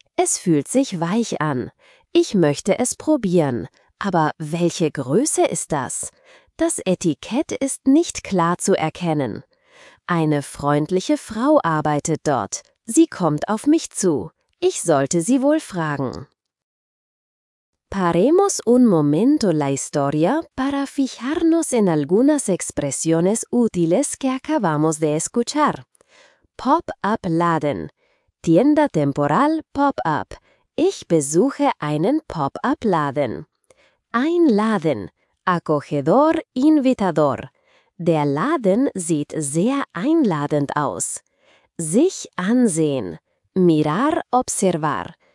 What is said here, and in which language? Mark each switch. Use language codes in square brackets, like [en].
[de] Es fühlt sich weich an. Ich möchte es probieren. Aber welche Größe ist das? Das Etikett ist nicht klar zu erkennen. Eine freundliche Frau arbeitet dort. Sie kommt auf mich zu. Ich sollte sie wohl fragen. [es] Paremos un momento la historia para fijarnos en algunas expresiones útiles que acabamos de escuchar. [de] Pop-up Laden. [es] Tienda temporal pop-up. [de] Ich besuche einen Pop-up Laden. Ein Laden. [es] Acogedor, invitador. [de] Der Laden sieht sehr einladend aus. Sich ansehen. [es] Mirar, observar.